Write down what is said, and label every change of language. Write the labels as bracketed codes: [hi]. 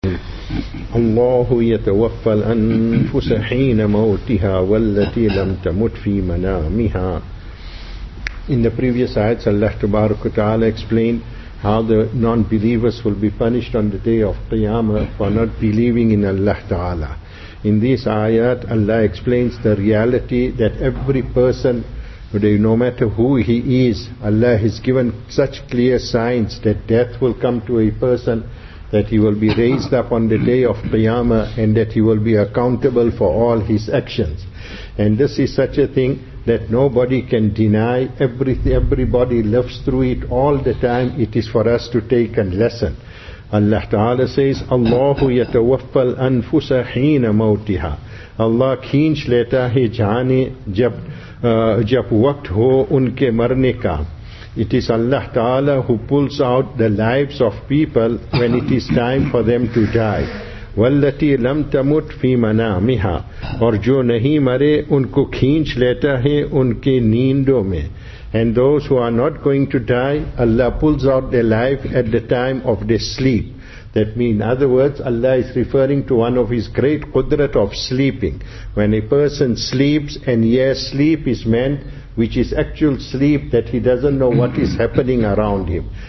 [ar] الله يتوفى الأنفس حين موتها والتي لم تمت في منامها. [en] In the previous ayats, Allah Tabaraka Ta'ala explained how the non-believers will be punished on the day of Qiyamah for not believing in Allah Ta'ala. In this ayat, Allah explains the reality that every person, no matter who he is, Allah has given such clear signs that death will come to a person, that he will be raised up on the day of Qiyamah, and that he will be accountable for all his actions. And this is such a thing that nobody can deny. Everybody lives through it all the time. It is for us to take a lesson. Allah Ta'ala says, [ar] Allahu yatawaffa al-anfusa hina mawtiha. [ur] Allah khinch leta hai jaane jab waqt ho unke marne ka. [en] It is Allah Ta'ala who pulls out the lives of people when it is time for them to die. [ar] وَالَّتِي لَمْ تَمُتْ فِي مَنَامِهَا. [ur] اور جو نہیں مرے ان کو کھینچ لیتا ہے ان کے نیندوں میں. [en] And those who are not going to die, Allah pulls out their life at the time of their sleep. That means, in other words, Allah is referring to one of His great qudrat of sleeping. When a person sleeps, and yes, sleep is meant, which is actual sleep, that he doesn't know what is happening around him.